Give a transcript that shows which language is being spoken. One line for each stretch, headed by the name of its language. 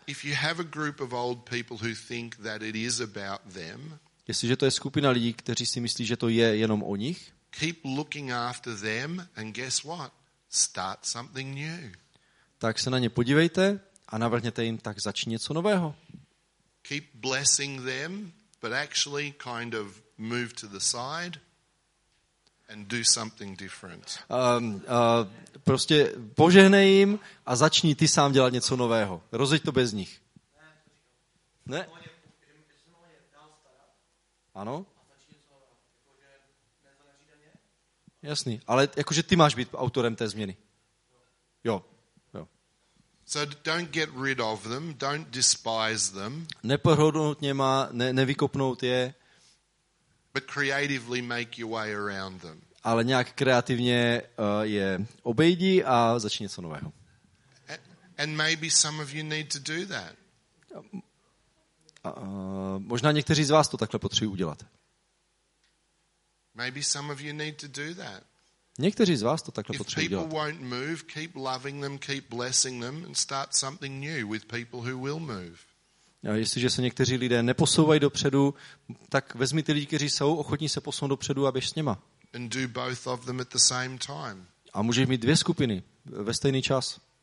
English: If you have a group of old people who think that it is about them,
Czech: jestliže to je skupina lidí, kteří si myslí, že to je jenom o nich,
English: keep looking after them and guess what? Start something new.
Czech: Tak se na ně podívejte a navrhněte jim, tak začni něco nového.
English: Keep blessing them, but actually kind of move to the side and do something different.
Czech: Prostě požehnej jim a začni ty sám dělat něco nového. Rozeď to bez nich. Ne? Ano? Jasný, ale jakože ty máš být autorem té změny. Jo.
English: So don't get rid of them, don't despise them.
Czech: Nepohodnout něma, nevykopnout je.
English: But creatively make your way around them.
Czech: Ale nějak kreativně je obejdi a začni něco nového.
English: And maybe some of you need to do that.
Czech: Možná někteří z vás to takhle potřebují udělat.
English: Maybe some of you need to do that.
Czech: Někteří z vás to takhle potřebují dělat.
English: If people won't move, keep loving them, keep blessing them and start something new with people who will move.
Czech: A jestliže se někteří lidé neposouvají dopředu, tak vezmi ty lidi, kteří jsou ochotní se posunout dopředu a běž s nima.
English: And do both of them at the same time.
Czech: A můžeš mít dvě skupiny ve stejný čas.